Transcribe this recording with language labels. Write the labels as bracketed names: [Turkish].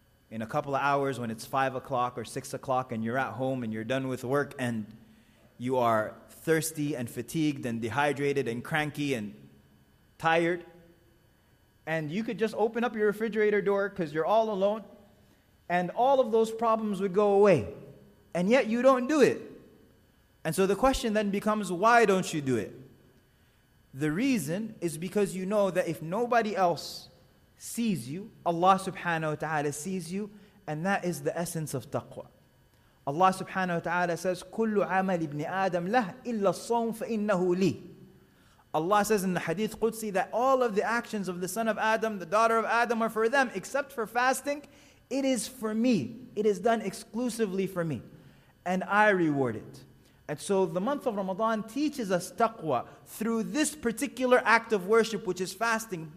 [English] In a couple of hours when it's 5 o'clock or 6 o'clock and you're at home and you're done with work and you are thirsty and fatigued and dehydrated and cranky and tired, and you could just open up your refrigerator door because you're all alone, and all of those problems would go away. And yet you don't do it. And so the question then becomes, why don't you do it? The reason is because you know that if nobody else sees you, Allah subhanahu wa ta'ala sees you, and that is the essence of taqwa. Allah subhanahu wa ta'ala says, [Arabic] كُلُّ عَمَلِ ابْنِ آدَمْ لَهْ إِلَّا الصَّوْمُ فَإِنَّهُ لِي. [English] Allah says in the Hadith Qudsi that all of the actions of the son of Adam, the daughter of Adam, are for them, except for fasting. It is for me. It is done exclusively for me. And I reward it. And so the month of Ramadan teaches us taqwa through this particular act of worship, which is fasting.